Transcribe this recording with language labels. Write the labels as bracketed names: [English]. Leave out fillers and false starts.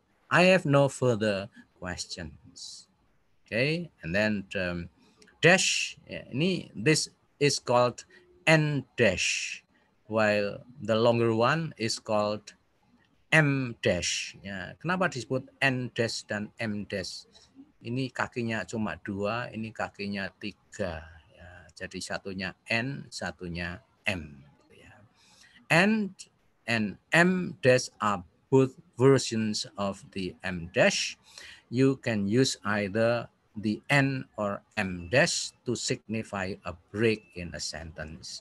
[English] I have no further questions. Okay. And then dash. Yeah. Ini, this is called N dash, while the longer one is called M dash. [Indonesian] Yeah. Kenapa disebut N dash dan M dash? Ini kakinya cuma dua, ini kakinya tiga. Jadi satunya N, satunya M. [English] And and M dash are both versions of the M dash. You can use either the N or M dash to signify a break in a sentence.